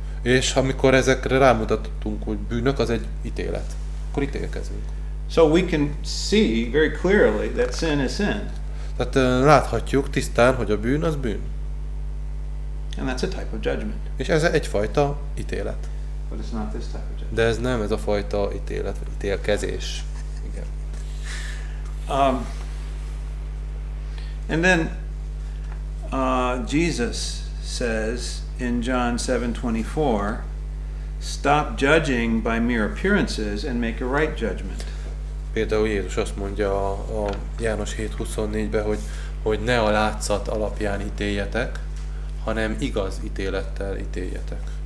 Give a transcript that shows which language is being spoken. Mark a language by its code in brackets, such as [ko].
[hu] És amikor ezekre rámutatunk, hogy bűnök, az egy ítélet. Akkor ítélkezünk. [en] So we can see very clearly that sin is sin. [hu] Tehát láthatjuk tisztán, hogy a bűn az bűn. [en] And that's a type of judgment. [hu] És ez egyfajta ítélet. [en] But it's not this type of judgment. [hu] De ez nem ez a fajta ítélet, vagy ítélkezés. Igen. [en] And then Jesus says in John 7:24, stop judging by mere appearances and make a right judgment. [hu] Például Jézus azt mondja a János 7:24-ben, hogy ne a látszat alapján ítéljetek, hanem igaz ítélettel ítéljetek.